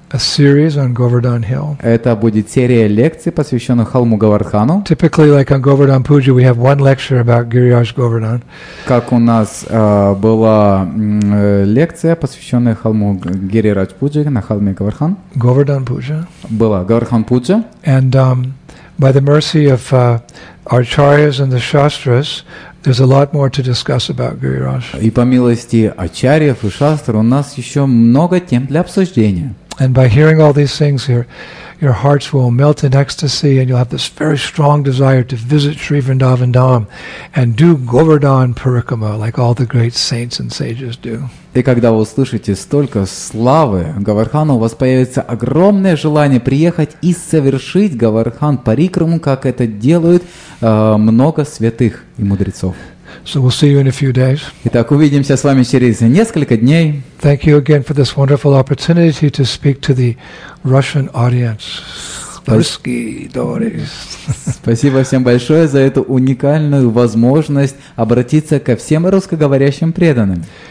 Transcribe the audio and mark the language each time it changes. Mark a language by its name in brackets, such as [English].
[English] A series on Govardhan Hill. [Russian] Это будет серия лекций, посвященных холму Говардхану. [English] Typically, like on Govardhan Puja, we have one lecture about Giriraj Govardhan. [Russian] Как у нас была лекция, посвященная холму Giriraj Puja, на холме Говардхан. [English] Govardhan Puja. [Russian] Была Говардхан Пуджа. [English] And by the mercy of Acharyas and the Shastras, there's a lot more to discuss about Giriraj. [Russian] И по милости Ачарьев и Шастр, у нас еще много тем для обсуждения. [English] And by hearing all these things, your hearts will melt in ecstasy, and you'll have this very strong desire to visit Sri Vrindavan Dham and do Govardhan Parikrama, like all the great saints and sages do. [Russian] И когда вы услышите столько славы Говардхана, у вас появится огромное желание приехать и совершить Говардхан Парикраму, как это делают много святых и мудрецов. [English] So we'll see you in a few days. [Russian] Итак, увидимся с вами через несколько дней. [English] Thank you again for this wonderful opportunity to speak to the Russian audience. [Russian] Спасибо всем большое за эту уникальную возможность обратиться ко всем русскоговорящим преданным.